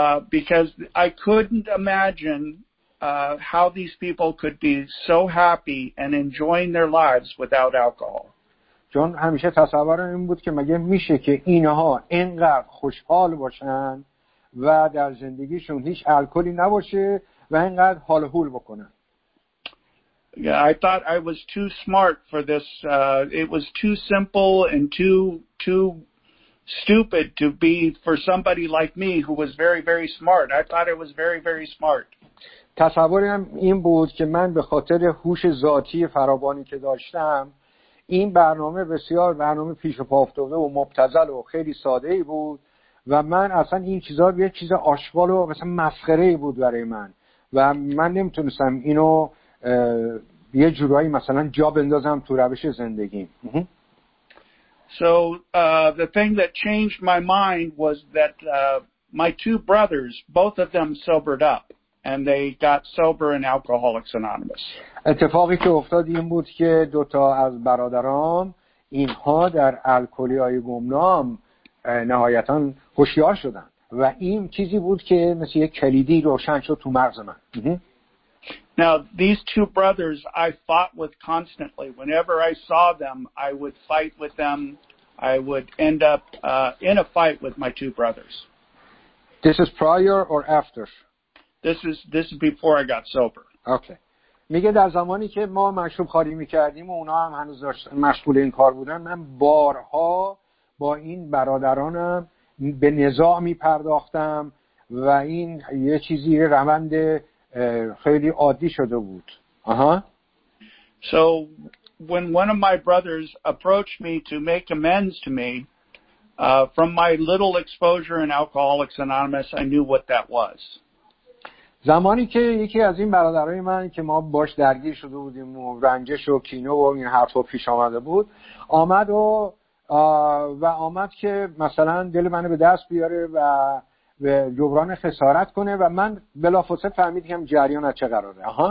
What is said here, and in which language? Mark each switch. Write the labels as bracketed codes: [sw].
[en] Because I couldn't imagine how these people could be so happy and enjoying their lives without alcohol. [fa] چون همیشه تصورم این بود که مگه میشه که اینها اینقدر خوشحال باشن و در زندگیشون هیچ الکلی نباشه و اینقدر حال و حول بکنن. [en] Yeah, I thought I was too smart for this. It was too simple and too stupid to be for somebody like me who was very, very smart. I thought I was very, very smart. [fa] تصورم این بود که من به خاطر هوش ذاتی فراوانی که داشتم، این برنامه بسیار برنامه پیش و پا افتاده و مبتذل و خیلی ساده ای بود و من اصلا این چیزا یه چیز آشغال و مثلا مسخره ای بود برای من و من نمیتونستم اینو یه جورایی مثلا جا بندازم تو روش زندگی. [en] So the thing that changed my mind was that my two brothers, both of them sobered up and they got sober in Alcoholics Anonymous. [fa] اتفاقی که افتاد این بود که دوتا از برادران اینها در الکلی های گمنام نهایتا هوشیار شدند و این چیزی بود که مثل یک کلیدی روشن شد تو مغز من. [en] Now, these two brothers I fought with constantly. Whenever I saw them, I would fight with them. I would end up in a fight with my two brothers. This is prior or after? This is before I got sober. Okay. [fa] میگه در زمانی که ما مشروب خاری میکردیم و اونا هم هنوز مشغول این کار بودن، من بارها با این برادرانم به نزاع میپرداختم و این یه چیزی روند خیلی عادی شده بود. [en] So when one of my brothers approached me to make amends to me, from my little exposure in Alcoholics Anonymous, I knew what that was. [fa] زمانی که یکی از این برادرای من که ما باش درگیر شده بودیم و رنجش و کینه و این حرفا پیش آمده بود، آمد که مثلا دل منو به دست بیاره و به جبران خسارت کنه و من بلافاصله فهمیدم جریان از چه قراره.